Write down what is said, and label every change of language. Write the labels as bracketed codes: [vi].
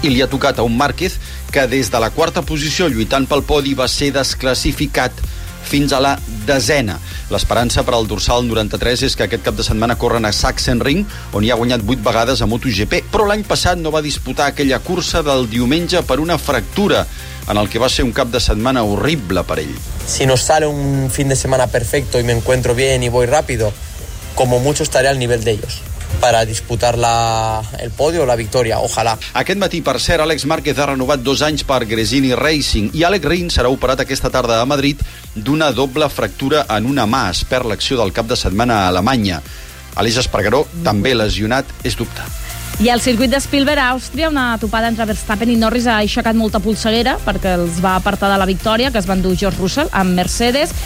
[ca] I li ha tocat a un Márquez que, des de la quarta posició, lluitant pel podi, va ser desclassificat fins a la desena. L'esperança per al dorsal 93 és que aquest cap de setmana corren a Sachsenring, on hi ha guanyat 8 vegades a MotoGP, però l'any passat no va disputar aquella cursa del diumenge per una fractura, en el que va ser un cap de setmana horrible per ell. [es] Si no sale un fin de semana perfecto y me encuentro bien y voy rápido, como mucho estaré al nivel de ellos para disputar el podio o la victoria, ojalá. [ca] Aquest matí, per cert, Àlex Márquez ha renovat 2 anys per Gresini Racing i Àlex Rins serà operat aquesta tarda a Madrid d'una doble fractura en una mà. Es perd l'acció del cap de setmana a Alemanya. Àlex Espargaró, també lesionat, és dubte. I al circuit de Spielberg a Àustria, una topada entre Verstappen i Norris ha aixecat molta polseguera perquè els va apartar de la victòria que es va endur George Russell amb Mercedes.